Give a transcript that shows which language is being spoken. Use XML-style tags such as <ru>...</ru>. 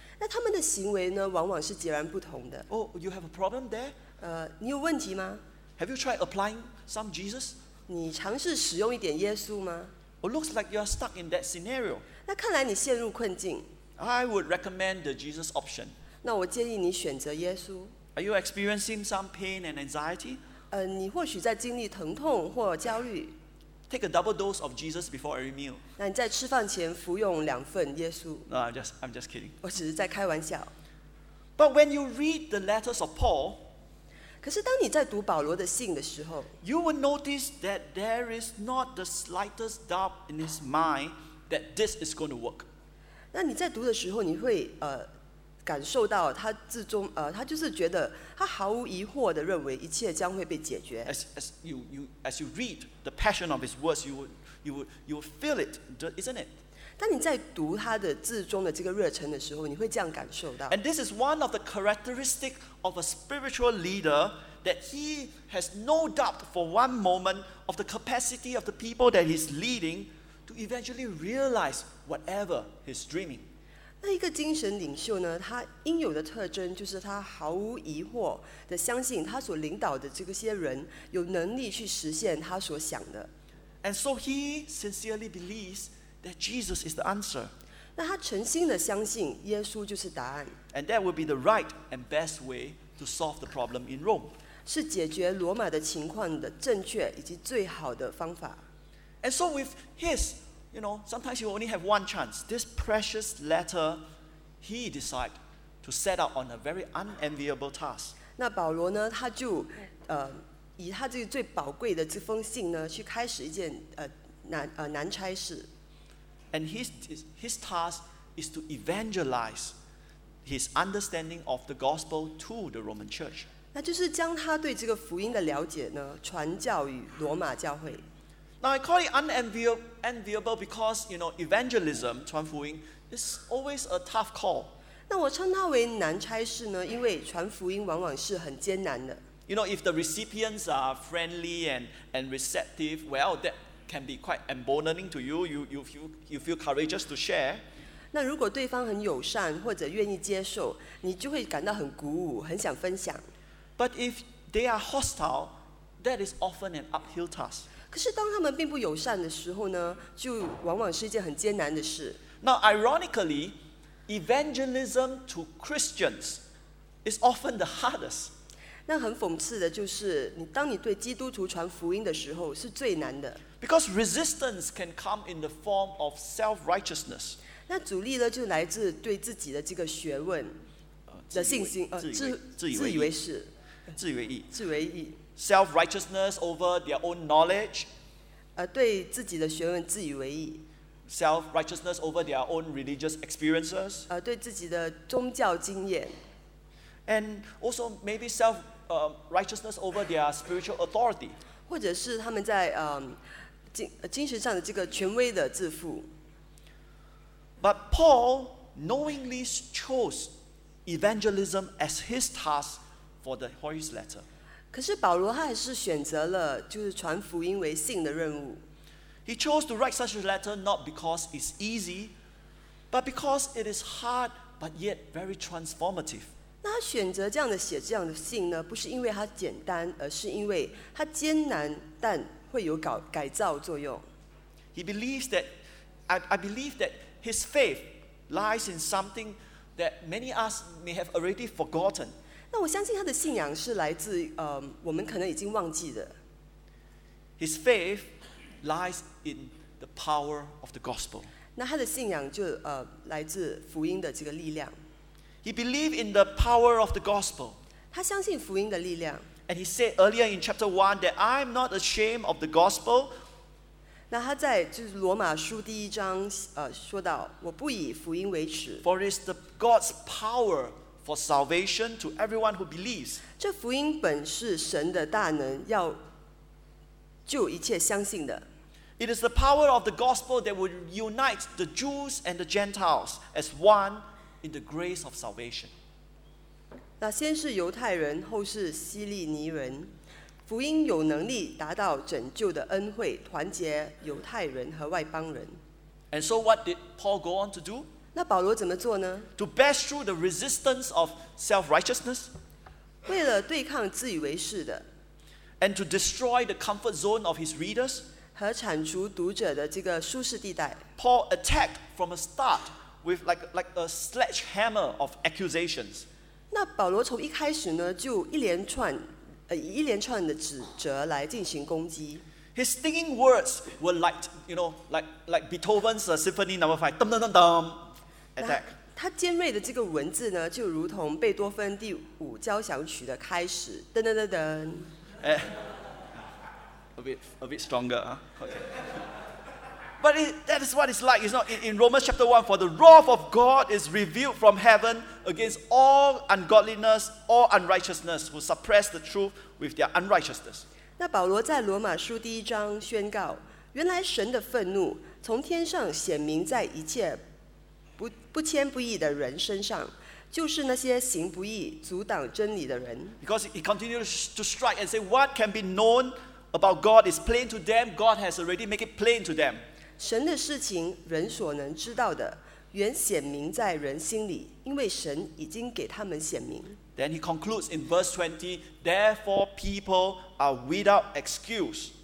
<zh>那他们的行为呢，往往是截然不同的。</zh> <en>Oh, you have a problem there?</en> <zh>你有问题吗</zh> <en>？Have you tried applying some Jesus?</en> <zh>你尝试使用一点耶稣吗</zh> <en>？Oh, looks like you are stuck in that scenario.</en> <zh>那看来你陷入困境。</zh> <en>I would recommend the Jesus option.</en> <zh>那我建议你选择耶稣。</zh> <en>Are you experiencing some pain and anxiety?</en> <zh>你或许在经历疼痛或焦虑。</zh> <en>Take a double dose of Jesus before every meal.</en> <zh>那你在吃饭前服用两份耶稣。</zh> <en>No, I'm just kidding.</en> <zh>我只是在开玩笑。</zh> <en>But when you read the letters of Paul,</en> <zh>可是当你在读保罗的信的时候</zh> <en>，you will notice that there is not the slightest doubt in his mind that this is going to work.</en> <zh>那你在读的时候，你会感受到他自中他就是觉得他毫无疑惑的认为一切将会被解决。</zh> <en>As you read the passion of his words, you would feel it, isn't it?</en> <zh>当你在读他的自中的这个热忱的时候，你会这样感受到。</zh> <en>And this is one of the characteristics of a spiritual leader that he has no doubt for one moment of the capacity of the people that he's leading to eventually realize whatever he's dreaming.</en> <zh>那一个精神领袖呢，他应有的特征就是他毫无疑惑的相信他所领导的这些人有能力去实现他所想的。</zh> <en>And so he sincerely believes that Jesus is the answer.</en> <zh>那他诚心的相信耶稣就是答案。</zh> <en>And that would be the right and best way to solve the problem in Rome.</en> <zh>是解决罗马的情况的正确以及最好的方法。</zh> <en>And so with his, you know, sometimes you only have one chance. This precious letter, he decided to set out on a very unenviable task.</en> <zh>那保罗呢，他就以他这个最宝贵的这封信呢，去开始一件难差事。</zh> <en>And his task is to evangelize his understanding of the gospel to the Roman church.</en> <zh>那就是将他对这个福音的了解呢，传教于罗马教会。</zh> <en>Now I call it unenviable because you know evangelism</en> <zh>传福音</zh> <en>is always a tough call.</en> <zh>那我称它为难差事呢，因为传福音往往是很艰难的。</zh> <en>You know, if the recipients are friendly and receptive, well, that can be quite emboldening to you. You feel courageous to share.</en> <zh>那如果对方很友善或者愿意接受，你就会感到很鼓舞，很想分享。</zh> <en>But if they are hostile, that is often an uphill task.</en> <zh>可是当他们并不友善的时候呢，就往往是一件很艰难的事。</zh> <en>Now, ironically, evangelism to Christians is often the hardest.</en> <zh>那很讽刺的就是你当你对基督徒传福音的时候是最难的。</zh> <en>Because resistance can come in the form of self-righteousness.</en> <zh>那阻力呢就来自对自己的这个学问的信心自以为意。</zh> <en>Self-righteousness over their own knowledge.</en> <zh>对自己的学问自以为意。</zh> <en>Self-righteousness over their own religious experiences.</en> <zh>对自己的宗教经验。</zh> <en>And also maybe righteousness over their spiritual authority,</en> <zh>或者是他们在精神上的这个权威的自负。</zh> <en>But Paul knowingly chose evangelism as his task for the Hebrews letter.</en> <zh>可是保罗他还是选择了就是传福音为信的任务。</zh> <en>He chose to write such a letter not because it's easy, but because it is hard but yet very transformative.</en> <zh>那他选择这样的写这样的信呢，不是因为他简单，而是因为他艰难，但会有改造作用。</zh> <en>He believes that, I believe that his faith lies in something that many us may have already forgotten.</en> <zh>那我相信他的信仰是来自我们可能已经忘记的。</zh> <en>His faith lies in the power of the gospel.</en> <zh>那他的信仰就来自福音的这个力量。</zh> <en>He believed in the power of the gospel.</en> <zh>他相信福音的力量。</zh> <en>And he said earlier in chapter 1 that I'm not ashamed of the gospel.</en> <zh>那他在就是罗马书第一章说到我不以福音为耻。</zh> <en>For it's the God's power for salvation to everyone who believes.</en> <zh>这福音本是神的大能要救一切相信的。</zh> <en>It is the power of the gospel that will unite the Jews and the Gentiles as one. In the grace of salvation.</en> <zh>那先是犹太人，后是希利尼人。福音有能力达到拯救的恩惠，团结犹太人和外邦人。</zh> <en>And so, what did Paul go on to do?</en> <zh>那保罗怎么做呢？</zh> <en>To bash through the resistance of self-righteousness.</en> <zh>为了对抗自以为是的。</zh> <en>And to destroy the comfort zone of his readers.</en> <zh>和铲除读者的这个舒适地带。</zh> <en>Paul attacked from a start. With like a sledgehammer of accusations.</en> <zh>那保罗从一开始呢，就一连串的指责来进行攻击。</zh> <en>His stinging words were like, you know, like Beethoven's Symphony No. 5, dum dum dum dum, attack.</en> <zh>他尖锐的这个文字呢，就如同贝多芬第五交响曲的开始，噔噔噔噔。</zh> <en>A bit stronger, huh? Okay. But that is what it's like. It's not in Romans chapter 1, for the wrath of God is revealed from heaven against all ungodliness, all unrighteousness, who suppress the truth with their unrighteousness.</en> <zh>那保罗在罗马书第一章宣告，原来神的愤怒从天上显明在一切不谦不义的人身上，就是那些行不义、阻挡真理的人。</zh> <en>Because he continues to strike and say, what can be known about God is plain to them. God has already made it plain to them.</en> <zh>神的事情，人所能知道的，原显明在人心里，因为神已经给他们显明。</zh> <en>Then he concludes in verse 20, therefore people are without excuse.</en>